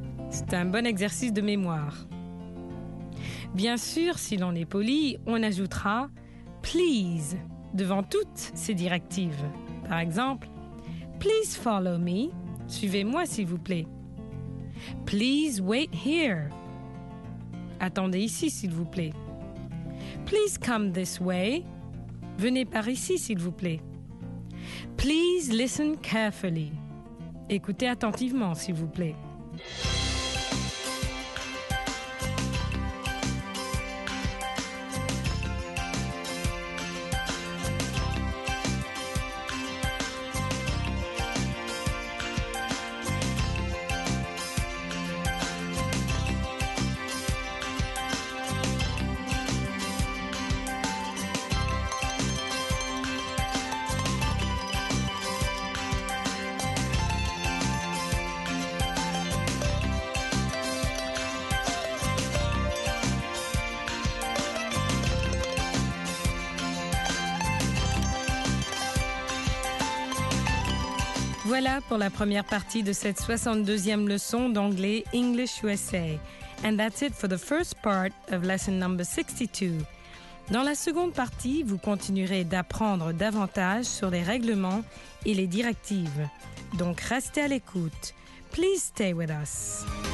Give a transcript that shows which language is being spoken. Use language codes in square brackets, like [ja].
[fr] C'est un bon exercice de mémoire. Bien sûr, si l'on est poli, on ajoutera « please » devant toutes ces directives. Par exemple, « [en] please follow me [fr] », suivez-moi s'il vous plaît. « [en] Please wait here [fr] », attendez ici s'il vous plaît. [en] Please come this way. [fr] Venez par ici, s'il vous plaît. [en] Please listen carefully. [fr] Écoutez attentivement, s'il vous plaît. Voilà pour la première partie de cette 62e leçon d'anglais English USA. [en] And that's it for the first part of lesson number 62. [fr] Dans la seconde partie, vous continuerez d'apprendre davantage sur les règlements et les directives. Donc restez à l'écoute. [en] Please stay with us.